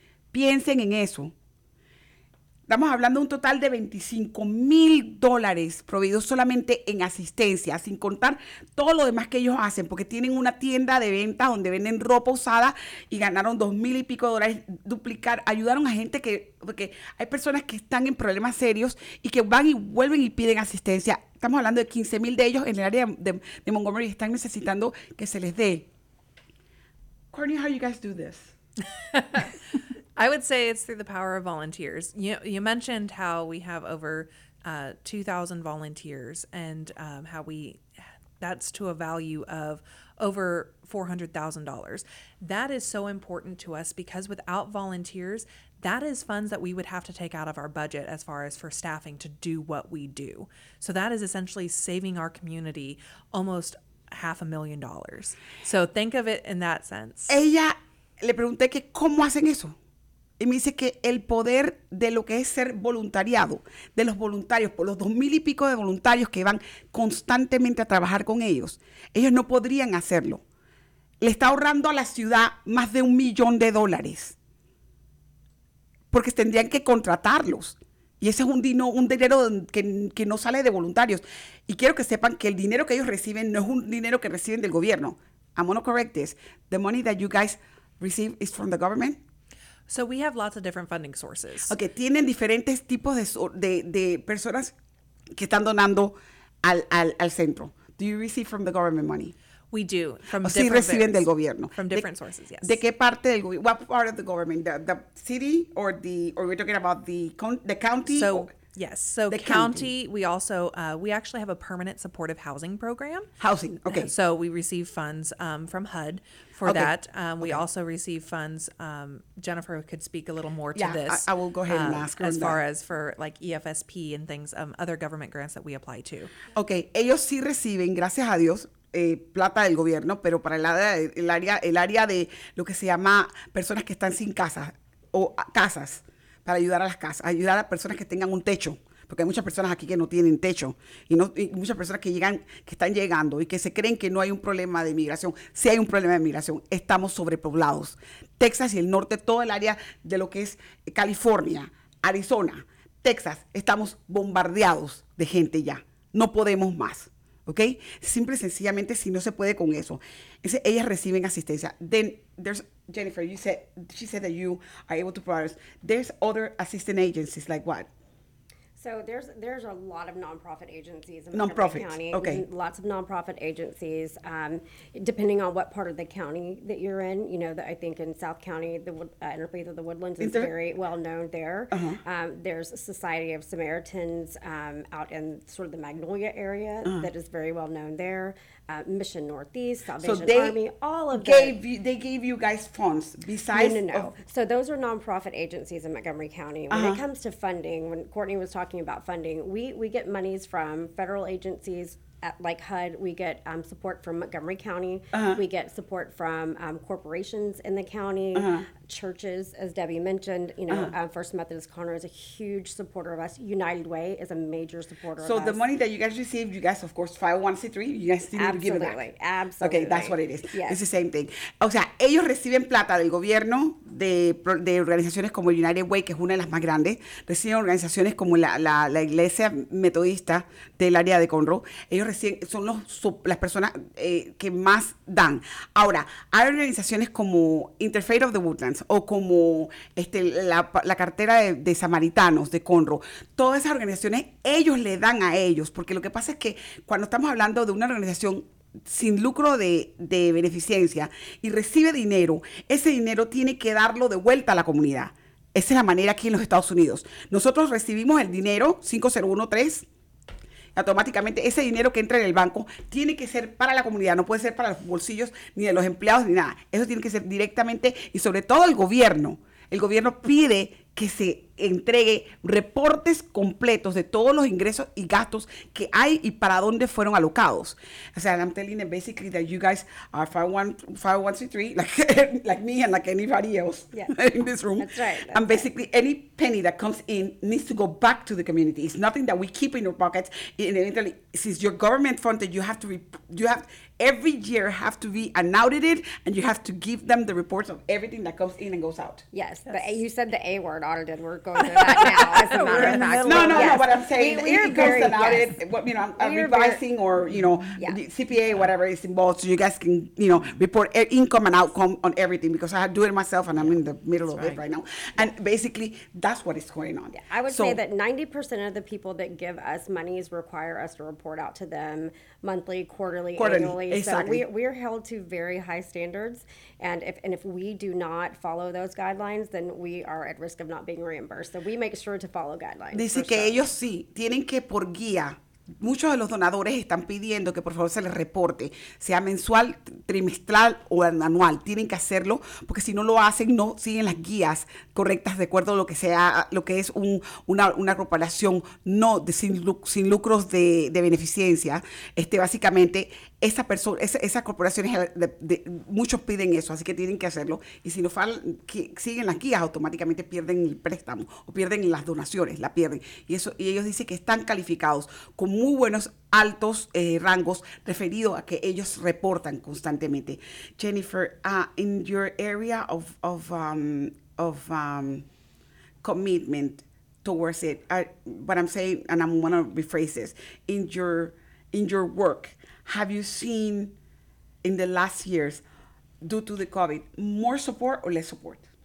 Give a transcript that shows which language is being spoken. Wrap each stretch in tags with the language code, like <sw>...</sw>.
<es>Piensen en eso. Estamos hablando de un total de 25,000 dólares proveídos solamente en asistencia, sin contar todo lo demás que ellos hacen, porque tienen una tienda de venta donde venden ropa usada y ganaron 2,000 y pico de dólares. Duplicar, ayudaron a gente que, porque hay personas que están en problemas serios y que van y vuelven y piden asistencia. Estamos hablando de 15,000 de ellos en el área de Montgomery y están necesitando que se les dé.</es> <en>Courtney, how you guys do this? I would say it's through the power of volunteers. You mentioned how we have over 2,000 volunteers and how we, that's to a value of over $400,000. That is so important to us because without volunteers, that is funds that we would have to take out of our budget as far as for staffing to do what we do. So that is essentially saving our community almost $500,000. So think of it in that sense.</en> <es>Ella le pregunté que cómo hacen eso. Y me dice que el poder de lo que es ser voluntariado, de los voluntarios, por los 2,000 y pico de voluntarios que van constantemente a trabajar con ellos, ellos no podrían hacerlo. Le está ahorrando a la ciudad más de $1,000,000. Porque tendrían que contratarlos. Y ese es un dinero que no sale de voluntarios. Y quiero que sepan que el dinero que ellos reciben no es un dinero que reciben del gobierno.</es> <en>I'm gonna correct this. The money that you guys receive is from the government. So we have lots of different funding sources.</en> <es>Okay, tienen diferentes tipos de personas que están donando al centro.</es> <en>Do you receive from the government money? We do. From o different sí reciben bears, del gobierno. From different sources, yes.</en> <es>¿De qué parte del gobierno?</es> <en>What part of the government? The city or the, or we're talking about the county? So, or? Yes. So the county, we also, we actually have a permanent supportive housing program. Housing, okay. So we receive funds from HUD for okay. that. We okay. also receive funds, Jennifer could speak a little more to yeah, this. Yeah, I will go ahead and ask her. As far as for like EFSP and things, other government grants that we apply to.</en> <es>Okay, ellos sí reciben, gracias a Dios, plata del gobierno, pero para el área de lo que se llama personas que están sin casa o casas. Para ayudar a las casas, ayudar a personas que tengan un techo, porque hay muchas personas aquí que no tienen techo y muchas personas que llegan, que están llegando y que se creen que no hay un problema de migración. Sí hay un problema de migración, estamos sobrepoblados. Texas y el norte, todo el área de lo que es California, Arizona, Texas, estamos bombardeados de gente ya, no podemos más, ¿ok? Simple y sencillamente, si no se puede con eso, entonces, ellas reciben asistencia.</es> <en>Then, there's Jennifer, you said, she said that you are able to provide us. There's other assistant agencies, like what? So there's a lot of nonprofit agencies in Montgomery County. Okay. Lots of nonprofit agencies, depending on what part of the county that you're in. You know, I think in South County, the Interfaith of the Woodlands is very well known there. Uh-huh. There's Society of Samaritans out in sort of the Magnolia area that is very well known there. Mission Northeast, Salvation so they Army, all of gave that. You, they gave you guys funds besides? No. So those are nonprofit agencies in Montgomery County. When uh-huh. it comes to funding, when Courtney was talking about funding, we get monies from federal agencies like HUD. We get support from Montgomery County. Uh-huh. We get support from corporations in the county, uh-huh. churches, as Debbie mentioned. You know, uh-huh. First Methodist Corner is a huge supporter of us. United Way is a major supporter so of us. So the money that you guys received, you guys, of course, 501c3, you guys still need to give it back. Absolutely, absolutely. Okay, that's what it is. Yes. It's the same thing.</en> <es>O sea, ellos reciben plata del gobierno, de organizaciones como United Way, que es una de las más grandes. Reciben organizaciones como la Iglesia Metodista del área de Conroe. Ellos recién son las personas que más dan. Ahora, hay organizaciones como Interfaith of the Woodlands o como la cartera de Samaritanos de Conroe. Todas esas organizaciones, ellos le dan a ellos. Porque lo que pasa es que cuando estamos hablando de una organización sin lucro de beneficencia y recibe dinero, ese dinero tiene que darlo de vuelta a la comunidad. Esa es la manera aquí en los Estados Unidos. Nosotros recibimos el dinero 5013. Automáticamente ese dinero que entra en el banco tiene que ser para la comunidad, no puede ser para los bolsillos ni de los empleados ni nada. Eso tiene que ser directamente y sobre todo el gobierno. El gobierno pide que se entregue reportes completos de todos los ingresos y gastos que hay y para dónde fueron alocados. O sea,</es> <en>I'm telling you basically that you guys are 501c3, like me and like anybody else in this room. That's right. That's and basically right. Any penny that comes in needs to go back to the community. It's nothing that we keep in our pockets. And eventually, since you're government funded, you have every year have to be audited and you have to give them the reports of everything that comes in and goes out. Yes. You said the A word, audited. We're going to that now, as a matter of fact. No, but I'm saying I'm revising, CPA, whatever is involved, so you guys can, you know, report income and outcome on everything, because I do it myself and I'm in the middle that's of right. it right now. And basically, that's what is going on. Yeah, I would say that 90% of the people that give us monies require us to report out to them monthly, quarterly. Annually. Exactly. So we are held to very high standards. And if we do not follow those guidelines, then we are at risk of not being reimbursed. So we make sure to follow guidelines.</en> <es>Dice que ellos sí tienen que por guía. Muchos de los donadores están pidiendo que por favor se les reporte, sea mensual, trimestral o anual. Tienen que hacerlo porque si no lo hacen, no siguen las guías correctas de acuerdo a lo que sea, lo que es una corporación no de sin lucros de beneficencia. Básicamente, esa persona, esas corporaciones, muchos piden eso, así que tienen que hacerlo. Y si no siguen las guías, automáticamente pierden el préstamo o pierden las donaciones, la pierden. Y eso, y ellos dicen que están calificados con muy buenos altos rangos referido a que ellos reportan constantemente.</es> <en>Jennifer, in your area of commitment towards it, what I'm saying, and I'm going to rephrase this, in your work, have you seen in the last years, due to the COVID, more support or less support?</en>